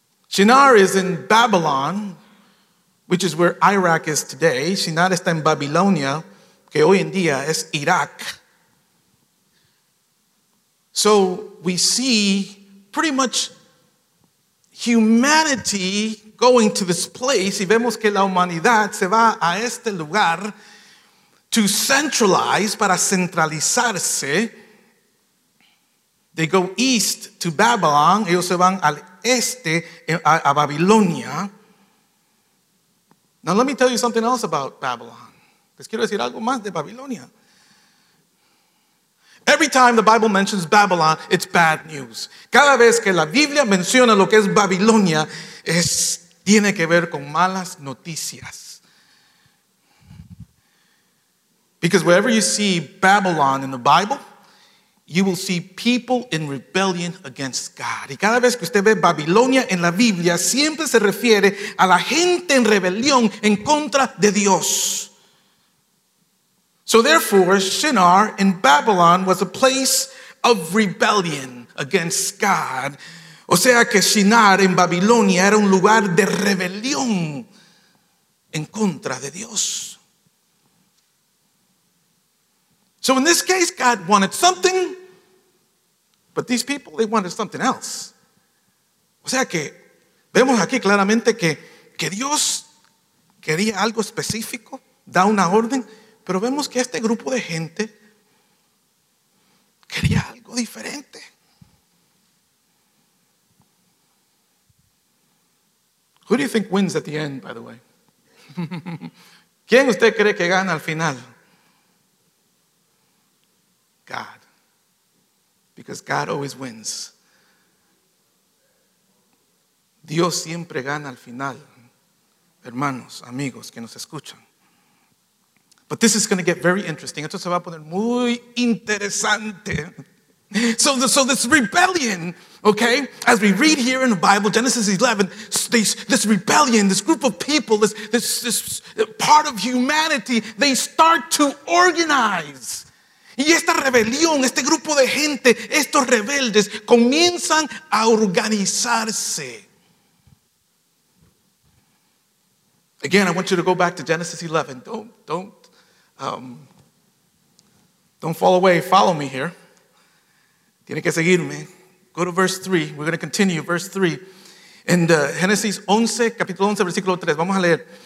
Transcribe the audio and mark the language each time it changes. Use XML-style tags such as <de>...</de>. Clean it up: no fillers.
<en>Shinar is in Babylon, which is where Iraq is today.</en> <es>Shinar está en Babilonia, que hoy en día es Irak.</es> <en>So we see pretty much humanity going to this place.</en> <es>Y vemos que la humanidad se va a este lugar</es> <en>to centralize,</en> <es>para centralizarse.</es> <en>They go east to Babylon.</en> <es>Ellos se van al este, a Babilonia.</es> <en>Now let me tell you something else about Babylon.</en> <es>Les quiero decir algo más de Babilonia.</es> <en>Every time the Bible mentions Babylon, it's bad news.</en> <es>Cada vez que la Biblia menciona lo que es Babilonia, tiene que ver con malas noticias.</es> <en>Because wherever you see Babylon in the Bible, you will see people in rebellion against God.</en> <es>Y cada vez que usted ve Babilonia en la Biblia, siempre se refiere a la gente en rebelión en contra de Dios.</es> <en>So therefore, Shinar in Babylon was a place of rebellion against God.</en> <es>O sea que Shinar en Babilonia era un lugar de rebelión en contra de Dios.</es> <en>So in this case, God wanted something, but these people, they wanted something else.</en> <es>O sea que vemos aquí claramente que Dios quería algo específico, da una orden, pero vemos que este grupo de gente quería algo diferente.</es> <en>Who do you think wins at the end, by the way?</en> <es>¿Quién usted cree que gana al final?</es> <en>God. Because God always wins.</en> <es>Dios siempre gana al final. Hermanos, amigos que nos escuchan.</es> <en>But this is going to get very interesting.</en> <es>Esto se va a poner muy interesante.</es> <en>So this rebellion, okay, as we read here in the Bible, Genesis 11, this rebellion, this group of people, this part of humanity, they start to organize.</en> <es>Y esta rebelión, este grupo de gente, estos rebeldes, comienzan a organizarse.</es> <en>Again, I want you to go back to Genesis 11. Don't fall away. Follow me here.</en> <es>Tiene que seguirme.</es> <en>Go to verse 3. We're going to continue. Verse 3. In Genesis 11,</en> <es>capítulo 11, versículo 3. Vamos a leer.</es>